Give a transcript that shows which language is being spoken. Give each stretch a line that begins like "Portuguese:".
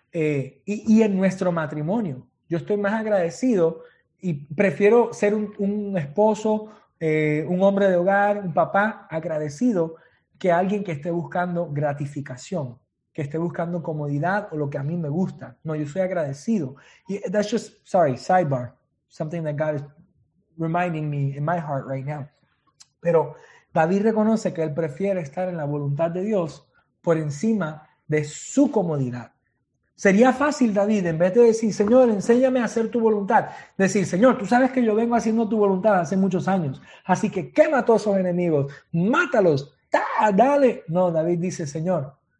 Spanish: Y en nuestro matrimonio. Yo estoy más agradecido y prefiero ser un esposo, un hombre de hogar, un papá agradecido, que alguien que esté buscando gratificación, que esté buscando comodidad o lo que a mí me gusta. No, yo soy agradecido.
English: Y that's just, sorry, sidebar, something that God is reminding me in my heart right now.
Spanish: Pero David reconoce que él prefiere estar en la voluntad de Dios por encima de su comodidad. Sería fácil, David, en vez de decir: Señor, enséñame a hacer tu voluntad, decir: Señor, tú sabes que yo vengo haciendo tu voluntad hace muchos años, así que quema a todos esos enemigos, mátalos, ¡ta, dale! No, David dice: Señor,